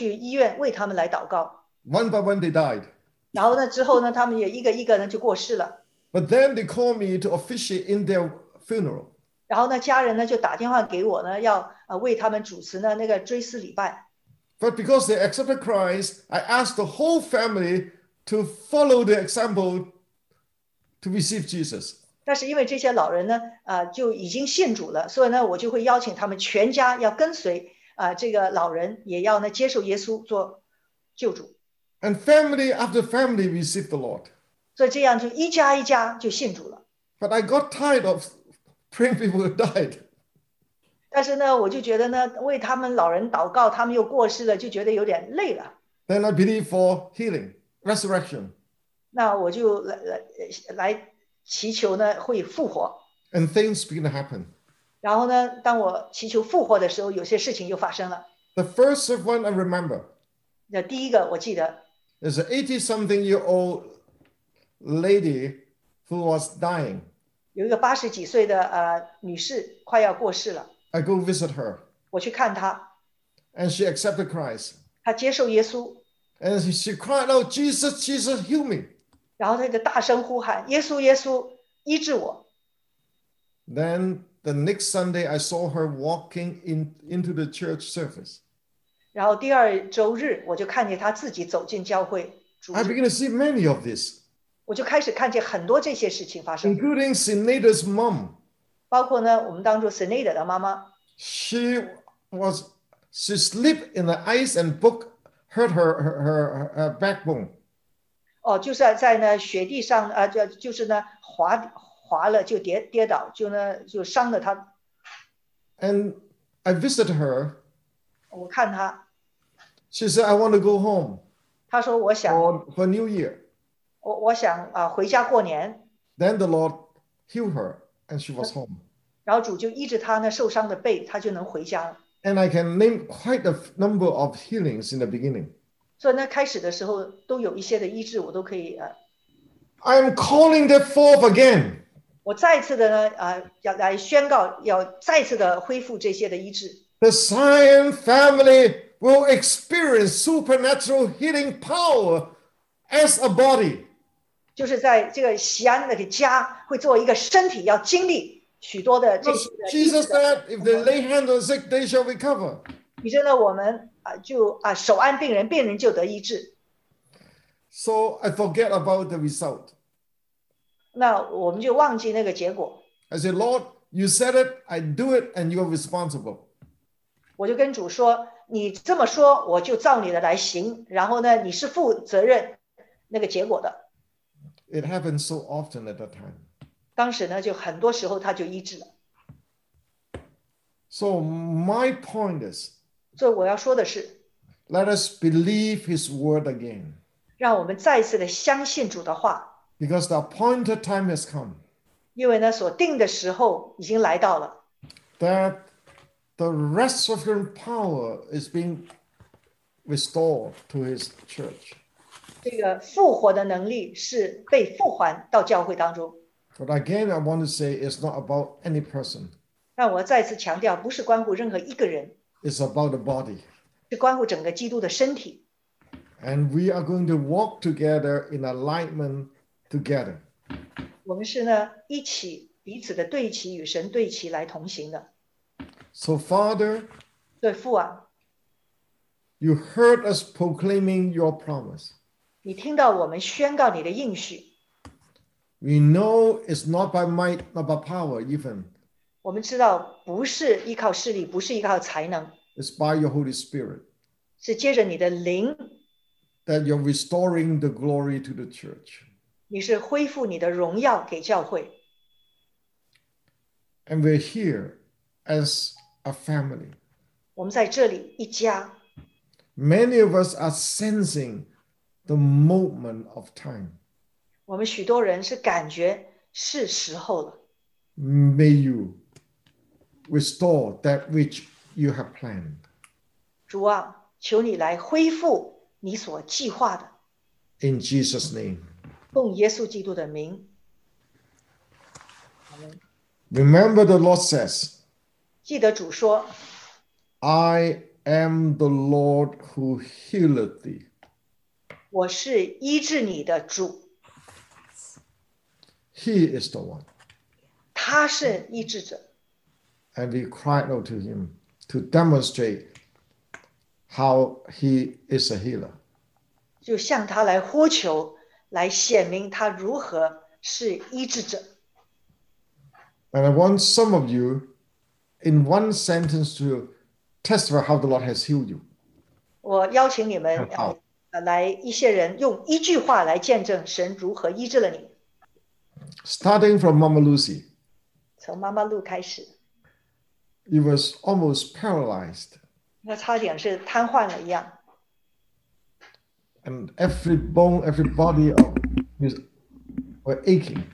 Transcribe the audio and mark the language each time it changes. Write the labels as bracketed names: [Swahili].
[Chinese] 那他们的老人呢，总是呢离世之前呢就打电话给我呢，让我去医院为他们来祷告。 [English] One by one, they died. [Chinese] 然后呢之后呢，他们也一个一个呢就过世了。 [English] But then they call me to officiate in their funeral. [Chinese] 然后呢，家人呢就打电话给我呢，要为他们主持呢那个追思礼拜。 [English] But because they accepted Christ, I asked the whole family to follow the example to receive Jesus. [Chinese] 但是因为这些老人呢，就已经信主了，所以呢，我就会邀请他们全家要跟随这个老人，也要呢接受耶稣做救主。 [English] And family after family received the Lord. [Chinese] 所以这样就一家一家就信主了。 [English] But I got tired of praying people who died. [Chinese] 但是呢，我就觉得呢，为他们老人祷告，他们又过世了，就觉得有点累了。 [English] Then I believe for healing, resurrection. [Chinese] 那我就来祈求呢，会复活。 [English] And things begin to happen. [Chinese] 然后呢，当我祈求复活的时候，有些事情就发生了。 [English] The first one I remember. [Chinese] 那第一个我记得。 [English] Is an 80-something year old. Lady who was dying. [Chinese] 有一个八十几岁的女士快要过世了。 [English] I go visit her. [Chinese] 我去看她。 [English] And she accepted Christ. [Chinese] 她接受耶稣。 [English] And she cried out, "Jesus, Jesus, heal me." [Chinese] 然后她就大声呼喊，耶稣，耶稣，医治我。 [English] Then the next Sunday, I saw her walking into the church service. [Chinese] 然后第二周日，我就看见她自己走进教会。 [English] I begin to see many of this. [Chinese] 我就开始看见很多这些事情发生 [English] including Senator's mom [Chinese] 包括呢我们当中 Senator 的妈妈 [English] she slipped in the ice and book hurt her backbone [Chinese] 哦就是在呢雪地上就是呢滑了就跌倒就呢就伤了她 [English] and I visited her [Chinese] 我看她 [English] she said I want to go home 她说我想 for New Year [Chinese] 我想回家过年。 [English] Then the Lord healed her and she was home. [Chinese] 然后主就医治她那受伤的背，她就能回家了。 [English] And I can name quite a number of healings in the beginning. [Chinese] 所以那开始的时候都有一些的医治，我都可以 [English] I'm calling that forth again. [Chinese] 我再次的呢要来宣告，要再次的恢复这些的医治。 [English] The Zion family will experience supernatural healing power. As a body, [Chinese] 就是在这个锡安那个家会做一个身体，要经历许多的这些。 [English] Jesus said, "If they lay hands on sick, they shall recover." [Chinese] 你知道我们手按病人，病人就得医治。 [English] So I forget about the result. [Chinese] 那我们就忘记那个结果。 [English] I say, "Lord, you said it, I do it, and you are responsible." [Chinese] 我就跟主说，你这么说，我就照你的来行。然后呢，你是负责任。那个结果的 [English] It happened so often at that time. [Chinese] 当时呢就很多时候他就医治了 [English] So my point is [Chinese] 所以我要说的是 [English] Let us believe his word again. [Chinese] 让我们再次的相信主的话 [English] Because the appointed time has come. [Chinese] 因为呢所定的时候已经来到了 [English] That the resurrection power is being restored to his church. [Chinese] 这个复活的能力是被复还到教会当中。 [English] But again, I want to say it's not about any person. [Chinese] 但我再次强调，不是关乎任何一个人。 [English] It's about the body. [Chinese] 是关乎整个基督的身体。 [English] And we are going to walk together in alignment together. [Chinese] 我们是呢一起彼此的对齐，与神对齐来同行的。 [English] So Father, [Chinese] 对父啊 [English] ，You heard us proclaiming your promise. [Chinese] 你听到我们宣告你的应许。 [English] We know it's not by might, not by power, even. [Chinese] 我们知道不是依靠势力，不是依靠才能。 [English] It's by your Holy Spirit. [Chinese] 是借着你的灵。 [English] That you're restoring the glory to the church. [Chinese] 你是恢复你的荣耀给教会。 [English] And we're here as a family. [Chinese] 我们在这里一家。 [English] Many of us are sensing. The moment of time. [Chinese] 我们许多人是感觉是时候了。 [English] May you restore that which you have planned. [Chinese] 主啊，求你来恢复你所计划的。 [English] In Jesus' name. [Chinese] 奉耶稣基督的名。 [English] Remember the Lord says. [Chinese] 记得主说。 [English] I am the Lord who healeth thee. [Chinese] 我是医治你的主。 [English] He is the one. [Chinese] 他是医治者。 [English] And we cry out to him to demonstrate how he is a healer. [Chinese] 就向他来呼求，来显明他如何是医治者。 [English] And I want some of you in one sentence to testify how the Lord has healed you. [Chinese] 我邀请你们来一些人用一句话来见证神如何医治了你。 [English] Starting from Mama Lucy. [Chinese] 从妈妈露开始。 [English] He was almost paralyzed. [Chinese] 那差点是瘫痪了一样。 [English] And every bone, every body of his were aching.